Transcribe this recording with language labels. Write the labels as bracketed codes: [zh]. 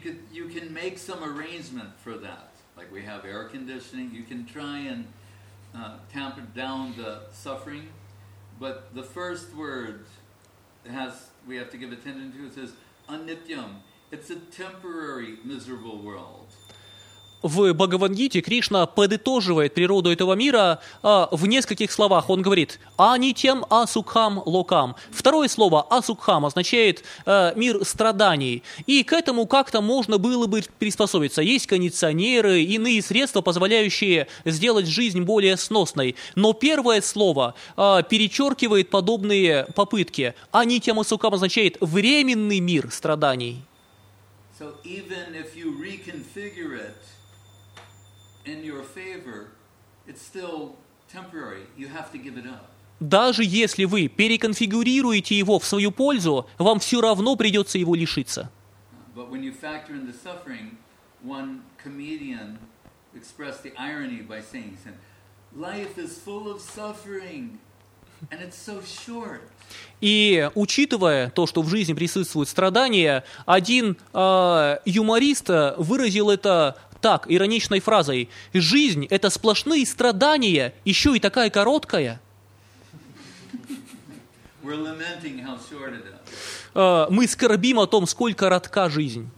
[en] You can make some arrangement for that. Like we have air conditioning, you can try and tamper down the suffering, but the first word we have to give attention to, it says anityam. It's a temporary miserable world. [ru] В Бхагавад-гите Кришна подытоживает природу этого мира в нескольких словах. Он говорит [sa] «анитям асукхам локам». [ru] Второе слово «асукхам» означает «мир страданий». И к этому как-то можно было бы приспособиться. Есть кондиционеры, иные средства, позволяющие сделать жизнь более сносной. Но первое слово перечеркивает подобные попытки. «Анитям асукхам» означает «временный мир страданий». [en] So even if you reconfigure it, in your favor, it's still temporary. You have to give it up. [ru] Даже если вы переконфигурируете его в свою пользу, вам все равно придется его лишиться. [en] But when you factor in the suffering, one comedian expressed the irony by saying, "Life is full of suffering, and it's so short." [ru] И учитывая то, что в жизни присутствуют страдания, один юморист выразил это так, ироничной фразой. Жизнь – это сплошные страдания, еще и такая короткая. Мы скорбим о том, сколько коротка жизнь.